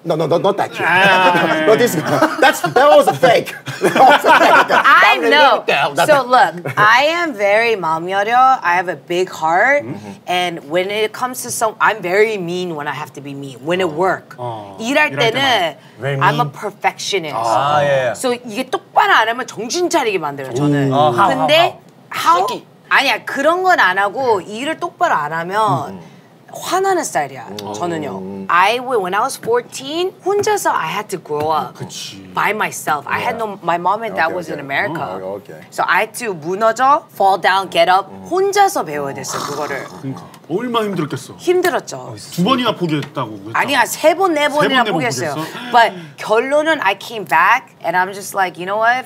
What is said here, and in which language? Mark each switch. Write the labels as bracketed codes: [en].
[en] No, not that cute. No, this girl. That was a fake. I know. So look, I am very [ko] 마음 여려. [en] I have a big heart. Mm-hmm. And when it comes to some, I'm very mean when I have to be mean. When it work. [ko] 일할 때는 [en] I'm a perfectionist. Ah, yeah. [ko] So 이게 똑바로 안 하면 정신 차리게 만들어, 저는. Ooh. 근데 아니야, 그런 건 안 하고 일을 똑바로 안 하면 화나는 스타일이야, 저는요. [en] When I was 14, [ko] 혼자서 [en] I had to grow up [ko] 그치. [en] by myself. Yeah. I had no, my mom and dad was in America. Okay. So I had to [ko] 무너져, [en] fall down, get up, [ko] 혼자서 배워야 됐어, 그거를. 얼마나 힘들었겠어? 힘들었죠. 두 번이나 포기했다고? 아니야, 세 번, 네 번이나 포기했어요. [en] But [ko] 결론은 [en] I came back and I'm just like, you know what?